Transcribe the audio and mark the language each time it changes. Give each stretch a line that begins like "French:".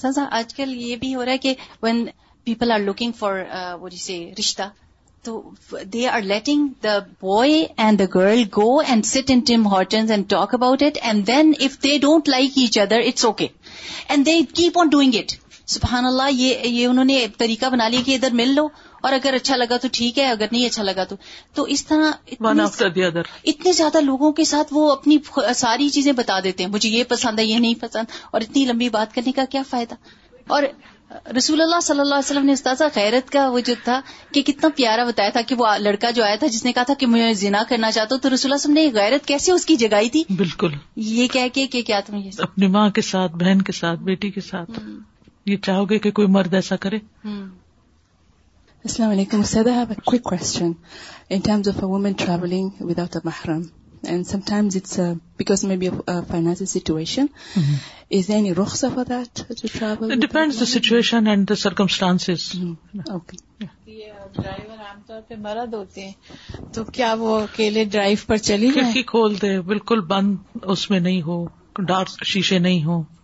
Urdu: آج کل یہ بھی ہو رہا ہے کہ
English: when people are looking for
Urdu: رشتہ تو
English: they are letting the boy and the girl go and sit in Tim Hortons and talk about it and then if they don't like each other it's okay and they keep on doing it.
Urdu: سبحان اللہ, یہ انہوں نے طریقہ بنا لیا کہ ادھر مل لو اور اگر اچھا لگا تو ٹھیک ہے, اگر نہیں اچھا لگا تو اس طرح اتنے زیادہ لوگوں کے ساتھ وہ اپنی ساری چیزیں بتا دیتے ہیں, مجھے یہ پسند ہے یہ نہیں پسند, اور اتنی لمبی بات کرنے کا کیا فائدہ. اور رسول اللہ صلی اللہ علیہ وسلم نے استاذہ غیرت کا وہ جو تھا کہ کتنا پیارا بتایا تھا کہ وہ لڑکا جو آیا تھا جس نے کہا تھا کہ میں زنا کرنا چاہتا ہوں, تو رسول اللہ صلی اللہ علیہ وسلم نے غیرت کیسے اس کی جگائی تھی. بالکل, یہ کہہ کے کہ کیا تم یہ اپنی ماں کے ساتھ, بہن کے ساتھ, بیٹی کے ساتھ یہ چاہو گے کہ کوئی مرد ایسا کرے.
English: Assalamu alaikum. Ustaz, I have a quick question in terms of a woman traveling without a mahram. And sometimes it's because maybe of a financial situation. Mm-hmm. Is there any rukhsa for that to travel? It depends the situation and the circumstances. Mm-hmm. Okay.
Urdu: Driver عام طور پہ مرد ہوتے ہیں تو کیا وہ اکیلے ڈرائیو پر چلی کھول دے, بالکل بند اس میں نہیں ہو, ڈارک شیشے نہیں ہو,